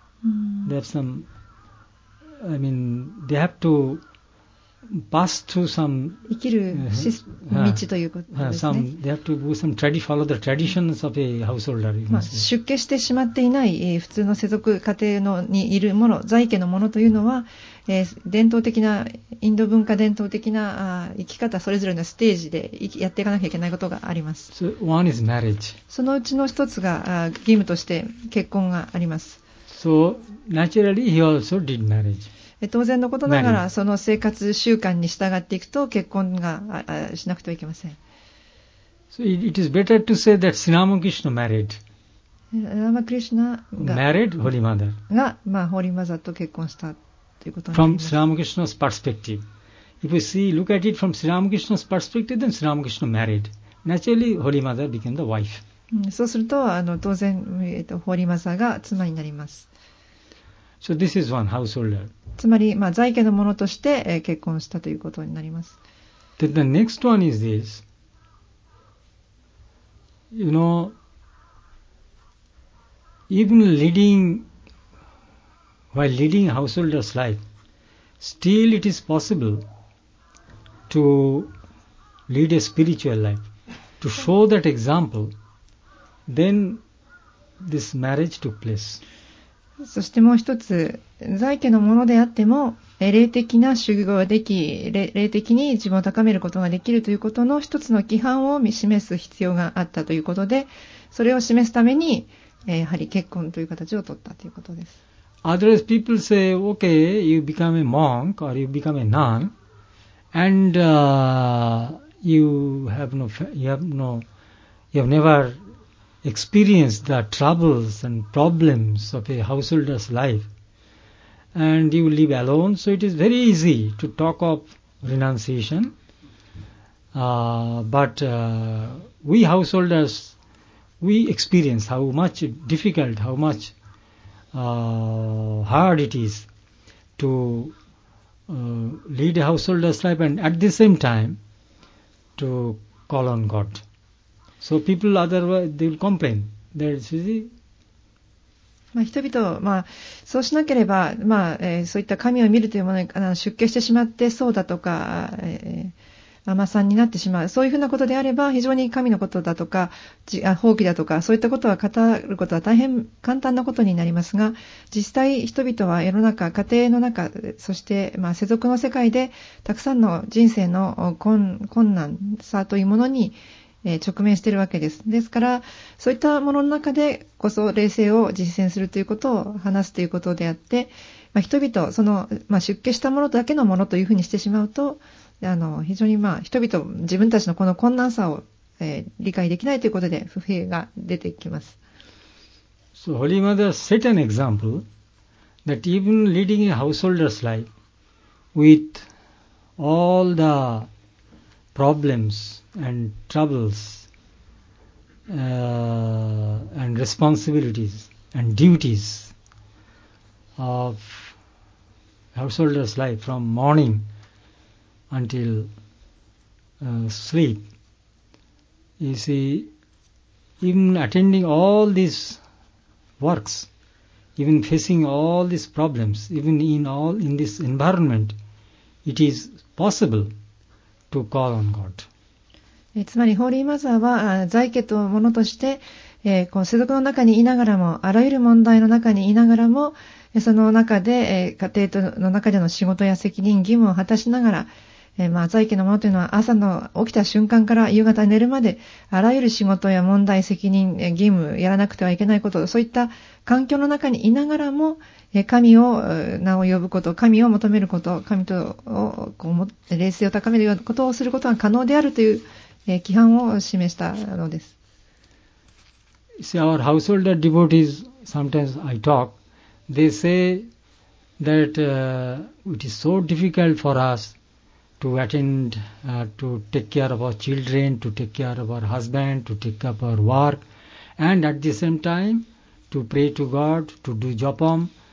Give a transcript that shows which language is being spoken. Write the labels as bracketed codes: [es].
[en] They have some, I mean, they have to pass through some [ja] 生きる道ということですね。 [en] Some, they have to go some tradition, follow the traditions of a householder. [ja] 出家してしまっていない、普通の世俗家庭のにいるもの、在家のものというのは、伝統的なインド文化、伝統的な生き方、それぞれのステージでやっていかなきゃいけないことがあります。 [en] So, one is marriage. [ja] そのうちの一つが義務として結婚があります。 [en] So, naturally, he also did marriage. [ja] 当然のことながら、その生活習慣に従っていくと結婚がしなくてはいけません。 [en] So、it is better to say that Sri Ramakrishna married. Ramakrishna married Holy Mother. [ja] が、Holy Mother と結婚したということになります。 [en] From Sri Ramakrishna's perspective. If we see, look at it from Sri Ramakrishna's perspective, then Sri Ramakrishna married. Naturally, Holy Mother became the wife. [ja] そうすると、当然、Holy Mother が妻になります。 [en] So this is one householder. [ja] つまり、在家の者として結婚したということになります。 [en] Then the next one is this. You know, even leading, while leading a householder's life, still it is possible to lead a spiritual life. To show that example, then this marriage took place. [ja] そしてもう一つ、在家のものであっても霊的な修行ができ、霊的に自分を高めることができるということの一つの規範を示す必要があったということで、それを示すためにやはり結婚という形を取ったということです。 [en] Otherwise people say, okay, you become a monk or you become a nun and you have never experience the troubles and problems of a householder's life, and you live alone, so it is very easy to talk of renunciation. We householders, we experience how much difficult, how much hard it is to lead a householder's life and at the same time to call on God. So people otherwise they will complain. They're busy. [ja] 人々、そうしなければ、そういった神を見るというものに出家してしまってそうだとか、尼さんになってしまう、そういうふうなことであれば非常に神のことだとか放棄だとかそういったことは語ることは大変簡単なことになりますが、実際人々は世の中、家庭の中、そして世俗の世界でたくさんの人生の困難さというものに直面しているわけです。ですからそういったものの中でこそ霊性を実践するということを話すということであって、まあ、人々その、まあ、出家したものだけのものというふうにしてしまうと非常に、まあ、人々自分たちのこの困難さを、理解できないということで不平が出てきます。 [en] So Holy Mother set an example that even leading a householder's life with all the problems and troubles and responsibilities and duties of householder's life from morning until sleep. You see, even attending all these works, even facing all these problems, even in this environment, it is possible to call on God. [ja] つまりホーリーマザーは在家とものとして、この世俗の中にいながらもあらゆる問題の中にいながらもその中で、家庭の中での仕事や責任義務を果たしながら、まあ、在家のものというのは朝の起きた瞬間から夕方寝るまであらゆる仕事や問題責任義務やらなくてはいけないことそういった環境の中にいながらも神を名を呼ぶこと神を求めること神とをこう霊性を高めることをすることが可能であるという規範を示したのです。 [en] See, our householder devotees, sometimes I talk, they say that it is so difficult for us to attend, to take care of our children, to take care of our husband, to take up our work, and at the same time to pray to God, to do japam.